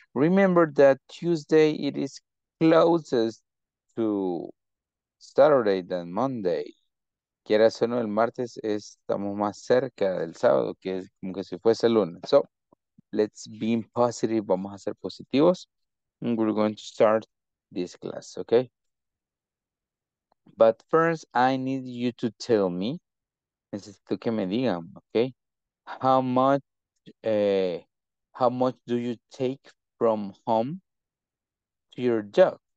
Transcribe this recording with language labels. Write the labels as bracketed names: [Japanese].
[English] Remember that Tuesday it is closest to Saturday than Monday. [Spanish] Quieras o no, el martes estamos más cerca del sábado, que es como que si fuese el lunes. [English] So, let's be positive, [Spanish] vamos a ser positivos. [English] And we're going to start this class, okay? But first, I need you to tell me, [Spanish] necesito que me digan, [English] okay? How much do you take from home to your job?